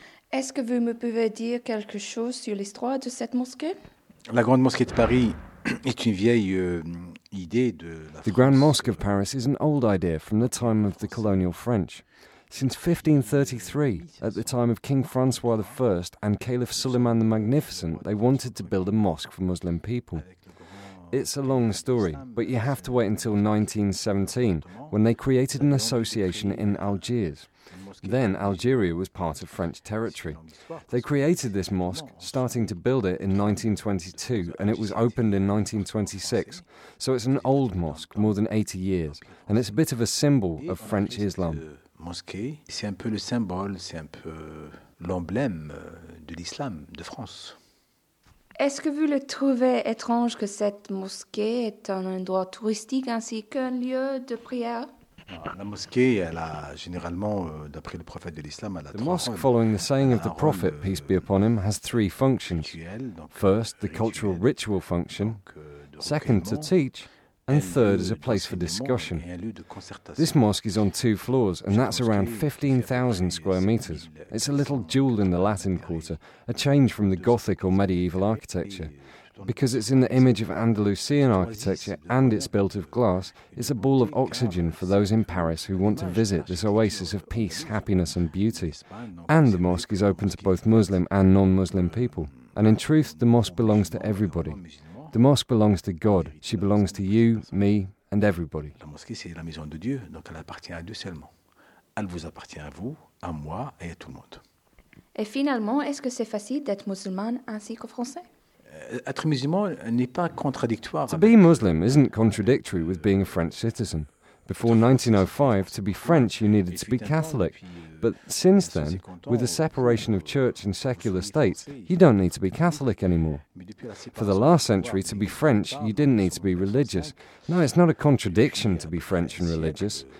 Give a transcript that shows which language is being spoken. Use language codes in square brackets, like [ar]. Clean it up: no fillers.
[fr] Est-ce que vous me pouvez dire quelque chose sur l'histoire de cette mosquée? La Grande Mosquée de Paris est une vieille idée de la. [en] The Grand Mosque of Paris is an old idea from the time of the colonial French. Since 1533, at the time of King Francois I and Caliph Suleiman the Magnificent, they wanted to build a mosque for Muslim people. It's a long story, but you have to wait until 1917, when they created an association in Algiers. Then Algeria was part of French territory. They created this mosque, starting to build it in 1922, and it was opened in 1926. So it's an old mosque, more than 80 years, and it's a bit of a symbol of French Islam. [fr] Mosquée, c'est un peu le symbole, c'est un peu l'emblème de l'islam de France. Est-ce que vous le trouvez étrange que cette mosquée est un endroit touristique ainsi qu'un lieu de prière? La mosquée, elle a généralement, d'après le prophète de l'islam, elle a trois. [en] The mosque, following the saying of the prophet, peace be upon him, has three functions. First, the cultural ritual function. Second, to teach. And third is a place for discussion. This mosque is on two floors, and that's around 15,000 square meters. It's a little jewel in the Latin Quarter, a change from the Gothic or medieval architecture. Because it's in the image of Andalusian architecture and it's built of glass, it's a ball of oxygen for those in Paris who want to visit this oasis of peace, happiness and beauty. And the mosque is open to both Muslim and non-Muslim people. And in truth, the mosque belongs to everybody. The mosque belongs to God. She belongs to you, me, and everybody. [fr] La mosquée, c'est la maison de Dieu, donc elle appartient à Dieu seulement. Elle vous appartient à vous, à moi et à tout le monde. Et finalement, est-ce que c'est facile d'être musulman ainsi qu'au français? Être musulman n'est pas contradictoire. [en] To be Muslim isn't contradictory with being a French citizen. Before 1905, to be French, you needed to be Catholic. But since then, with the separation of church and secular state, you don't need to be Catholic anymore. For the last century, to be French, you didn't need to be religious. No, it's not a contradiction to be French and religious.